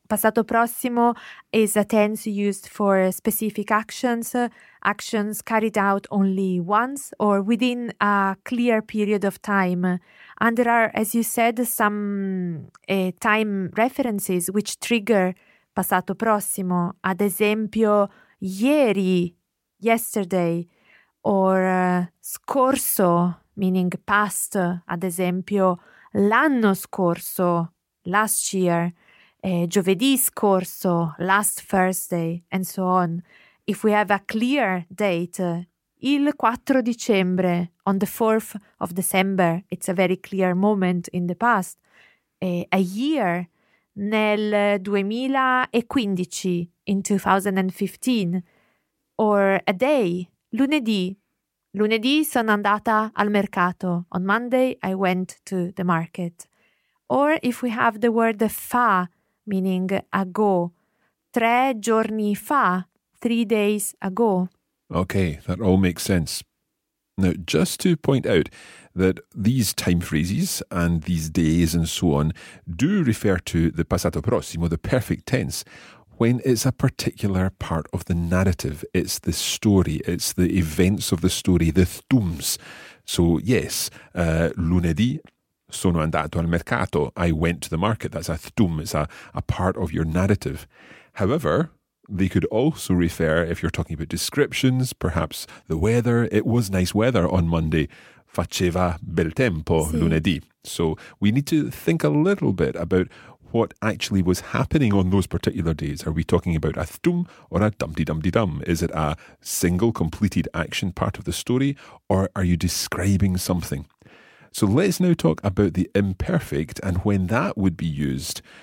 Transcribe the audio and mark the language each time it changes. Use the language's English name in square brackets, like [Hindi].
[English] passato prossimo is a tense used for specific actions, actions carried out only once or within a clear period of time. And there are, as you said, some time references which trigger passato prossimo. [Italian] Ad esempio, ieri, [English] yesterday, or scorso, meaning past, [Italian] ad esempio, l'anno scorso, [English] last year, [Italian] giovedì scorso, [English] last Thursday, and so on. If we have a clear date, [Italian] il 4 dicembre, [English] on the 4th of December, it's a very clear moment in the past, a year, [Italian] nel 2015, [English] in 2015, or a day, lunedì. [Italian] Lunedì sono andata al mercato. [English] On Monday, I went to the market. Or if we have the word fa, meaning ago, [Italian] 3 giorni fa, [English] 3 days ago. Okay, that all makes sense. Now, just to point out that these time phrases and these days and so on do refer to the passato prossimo, the perfect tense, when it's a particular part of the narrative. It's the story, it's the events of the story, the themes. So yes, [Italian] lunedì sono andato al mercato, [English] I went to the market. That's a theme, it's a part of your narrative. However, they could also refer, if you're talking about descriptions, perhaps the weather, it was nice weather on Monday. [Italian] Faceva bel tempo lunedì. [English] So we need to think a little bit about what actually was happening on those particular days. Are we talking about a thum or a dum-de-dum-de-dum? Is it a single completed action part of the story, or are you describing something? So let's now talk about the imperfect and when that would be used.